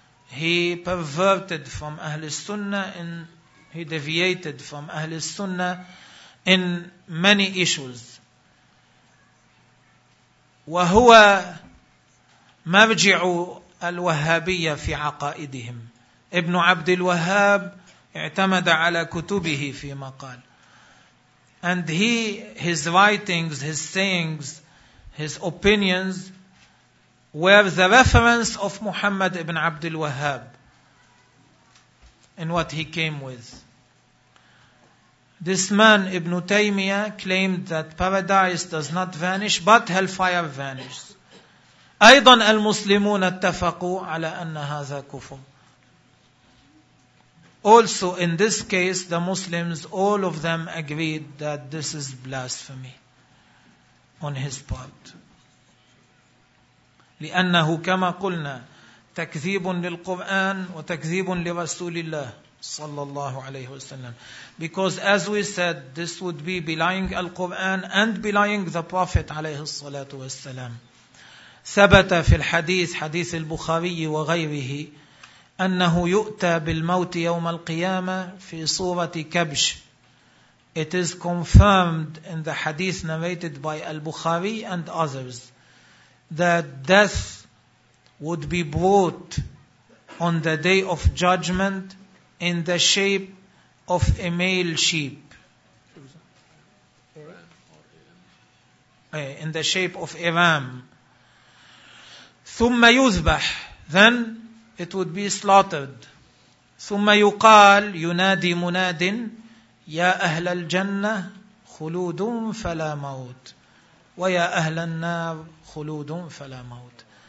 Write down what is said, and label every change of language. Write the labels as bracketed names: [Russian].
[English] He perverted from أهل السنة in, he deviated from أهل السنة in many issues. [Arabic] وهو مرجع الوهابية في عقائدهم. ابن عبد الوهاب اعتمد على كتبه فيما قال. [English] And he, his writings, his sayings, his opinions were the reference of Muhammad ibn Abd al-Wahhab in what he came with. This man, Ibn Taymiyyah, claimed that paradise does not vanish, but hellfire vanishes. [Arabic] أيضا المسلمون اتفقوا على أن هذا كفر. [English] Also, in this case, the Muslims, all of them agreed that this is blasphemy on his part. [Arabic] لأنه كما قلنا تكذيب للقرآن وتكذيب لرسول الله صلى الله عليه وسلم. [English] Because as we said, this would be belying Al-Quran and belying the Prophet [Arabic] عليه الصلاة والسلام. ثبت في الحديث حديث البخاري وغيره أنه يؤتى بالموت يوم القيامة في صورة كبش. [English] It is confirmed in the hadith narrated by Al-Bukhari and others that death would be brought on the day of judgment in the shape of a male sheep. In the shape of a ram. [Arabic] ثم يذبح. [English] Then it would be slaughtered. [Arabic] ثم يقال ينادي مناد يا أهل الجنة خلود فلا موت ويا أهل النار خلود فلا موت.